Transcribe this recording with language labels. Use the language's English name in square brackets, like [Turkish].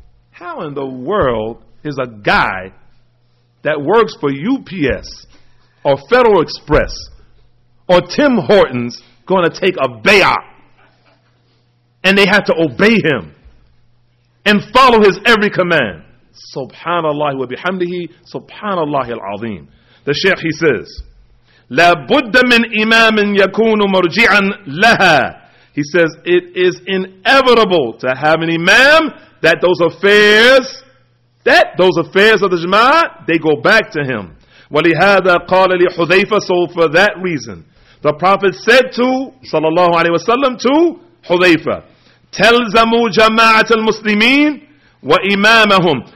[English] How in the world is a guy that works for UPS or Federal Express or Tim Hortons going to take a bay'ah? And they have to obey him and follow his every command. Subhanallah wa bihamdihi, subhanallah al-azim. The sheikh, he says, [Arabic] لا بد من إمام يكون مرجعا لها. [English] He says it is inevitable to have an imam that those affairs of the jama'ah, they go back to him. [Arabic] ولهذا قال لحذيفة. [English] So for that reason, the Prophet said to sallallahu alaihi wasallam to حذيفة, [Arabic] تلزموا جماعة المسلمين وإمامهم.